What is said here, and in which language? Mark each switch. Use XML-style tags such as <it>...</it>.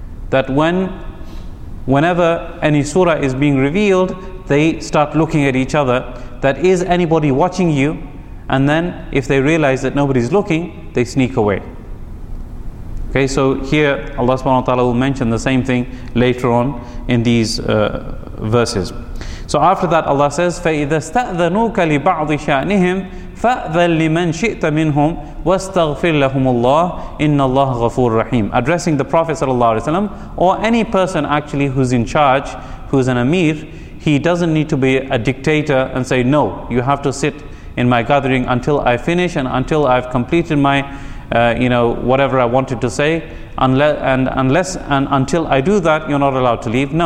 <en>That whenever any surah is being revealed, they start looking at each other, that is anybody watching you? And then if they realize that nobody's looking, they sneak away. Okay, so here Allah subhanahu wa ta'ala will mention the same thing later on in these verses. So after that Allah says,</en> <ar>فَإِذَا اسْتَأْذَنُوكَ لِبَعْضِ شَأْنِهِمْ فَأْذَن لِمَنْ شِئْتَ مِنْهُمْ وَاسْتَغْفِرْ لَهُمُ اللَّهِ إِنَّ اللَّهَ غَفُورٌ رَحِيمٌ.</ar> <en>Addressing the Prophet sallallahu alaihi wasallam, or any person actually who's in charge, who's an Amir, he doesn't need to be a dictator and say, no, you have to sit in my gathering until I finish and until I've completed my whatever I wanted to say, until I do that, you're not allowed to leave.</en>